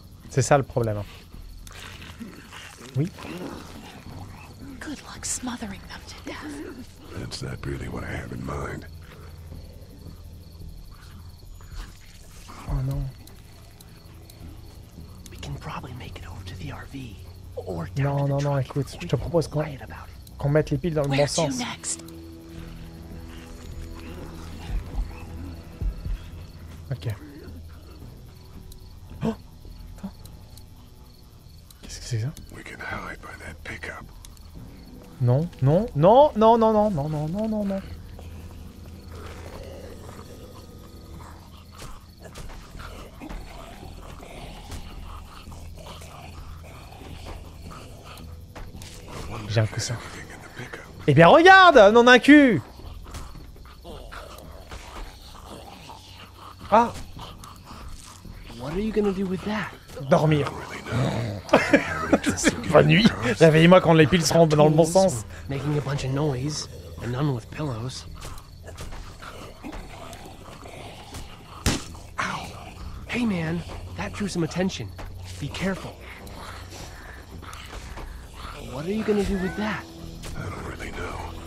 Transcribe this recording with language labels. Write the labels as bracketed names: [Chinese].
[French] C'est ça le problème. Oui. [English] Good luck smothering them to death. That's not really what I have in mind. [French] Oh non. [English] We can probably make it over to the RV. [French] Non, non, non, écoute, je te propose qu'on mette les piles dans le [English] Where [French] bon sens. [English] Next? [French] Ok. Oh attends. Qu'est-ce que c'est que ça? [English] We can hide by that pickup. [French] Non, non, non, non, non, non, non, non, non, non, non. J'ai un coussin. Eh bien regarde, on en a un cul. Ah. [English] What are you gonna do with that? [French] Dormir. C'est pas nuit. Réveillez-moi quand les piles seront dans le bon sens. [English] Making a bunch of noise, and none with pillows. Ow. Hey man, that drew some attention. Be careful. What are you gonna do with that? I don't really know.